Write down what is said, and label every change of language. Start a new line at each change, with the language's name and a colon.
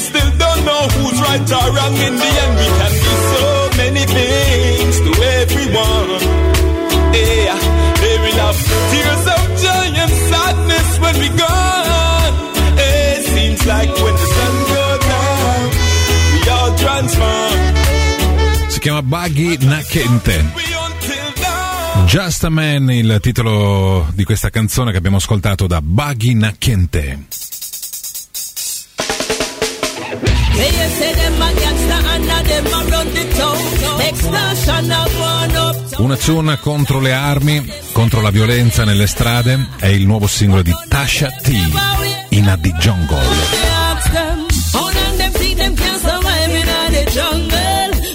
English: Still don't know who's right or wrong in the end. We can be so many things to everyone. Yeah, they will have tears of joy and sadness when we gone. It seems like when the sun goes down, we all transform.
Italian: Si chiama Buggy Nakente. Just a Man, il titolo di questa canzone che abbiamo ascoltato da Buggy Nakente.
English: They say them a gangsta and now them a run the town. Extortion a one up.
Italian: Una tune contro le armi, contro la violenza nelle strade, è il nuovo singolo di Tasha T, In a the Jungle.
English: Oh, now them see them can survive in a the jungle.